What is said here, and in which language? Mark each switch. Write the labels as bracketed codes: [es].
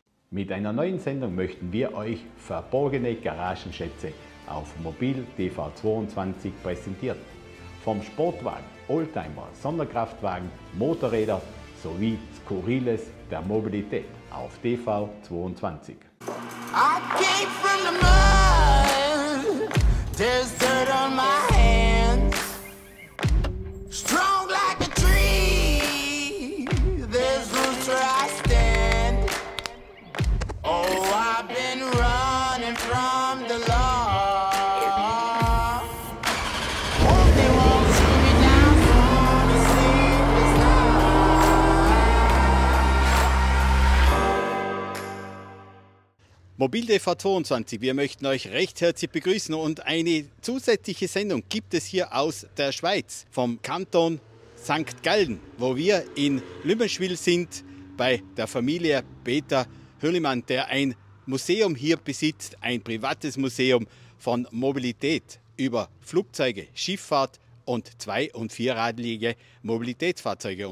[de] Mit einer neuen Sendung möchten wir euch verborgene Garagenschätze auf Mobil TV 22 präsentieren. Vom Sportwagen, Oldtimer, Sonderkraftwagen, Motorräder sowie Skurriles der Mobilität auf TV 22. [en] I came from the mud, there's dirt on my hands. Strong like a tree, there's roots where I stand. Oh, I've been running from the law. Hope they won't see me down from the sleepless night. [de] Mobil TV 22, wir möchten euch recht herzlich begrüßen und eine zusätzliche Sendung gibt es hier aus der Schweiz, vom Kanton St. Gallen, wo wir in Lümmenschwil sind, bei der Familie Peter Hürlimann, der ein Museum hier besitzt, ein privates Museum von Mobilität über Flugzeuge, Schifffahrt und zwei- und vierradlige Mobilitätsfahrzeuge.